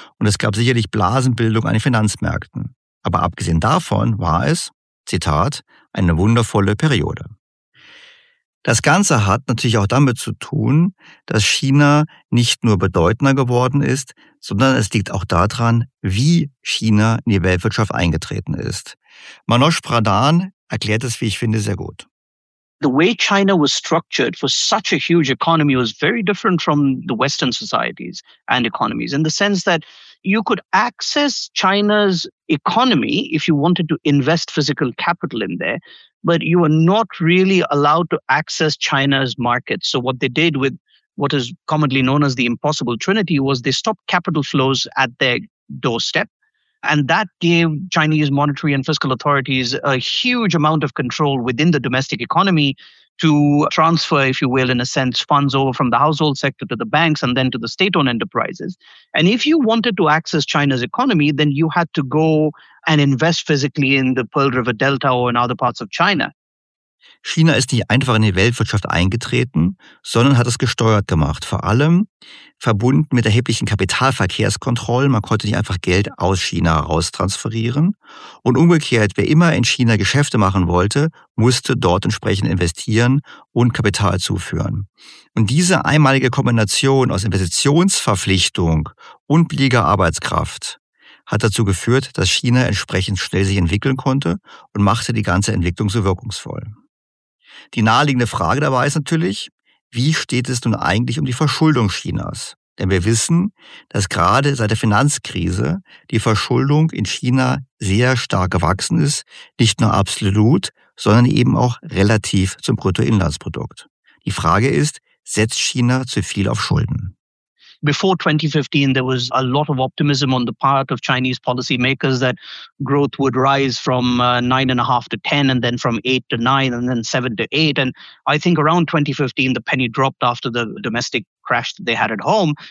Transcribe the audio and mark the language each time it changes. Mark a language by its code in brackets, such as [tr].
[de] Und es gab sicherlich Blasenbildung an den Finanzmärkten. Aber abgesehen davon war es, Zitat, eine wundervolle Periode. Das Ganze hat natürlich auch damit zu tun, dass China nicht nur bedeutender geworden ist, sondern es liegt auch daran, wie China in die Weltwirtschaft eingetreten ist. Manoj Pradhan erklärt es, wie ich finde, sehr gut. [en] The way China was structured for such a huge economy was very different from the Western societies and economies in the sense that you could access China's economy if you wanted to invest physical capital in there, but you were not really allowed to access China's markets. So what they did with what is commonly known as the Impossible Trinity was they stopped capital flows at their doorstep. And that gave Chinese monetary and fiscal authorities a huge amount of control within the domestic economy to transfer, if you will, in a sense, funds over from the household sector to the banks and then to the state-owned enterprises. And if you wanted to access China's economy, then you had to go and invest physically in the Pearl River Delta or in other parts of China. [de] China ist nicht einfach in die Weltwirtschaft eingetreten, sondern hat es gesteuert gemacht. Vor allem verbunden mit erheblichen Kapitalverkehrskontrollen. Man konnte nicht einfach Geld aus China heraus transferieren. Und umgekehrt, wer immer in China Geschäfte machen wollte, musste dort entsprechend investieren und Kapital zuführen. Und diese einmalige Kombination aus Investitionsverpflichtung und billiger Arbeitskraft hat dazu geführt, dass China entsprechend schnell sich entwickeln konnte und machte die ganze Entwicklung so wirkungsvoll. Die naheliegende Frage dabei ist natürlich, wie steht es nun eigentlich um die Verschuldung Chinas? Denn wir wissen, dass gerade seit der Finanzkrise die Verschuldung in China sehr stark gewachsen ist, nicht nur absolut, sondern eben auch relativ zum Bruttoinlandsprodukt. Die Frage ist, setzt China zu viel auf Schulden? [en] Before 2015, there was a lot of optimism on the part of Chinese policymakers that growth would rise from 9.5 to 10 and then from 8 to 9 and then 7 to 8. And I think around 2015, the penny dropped after the domestic crash that they had at home.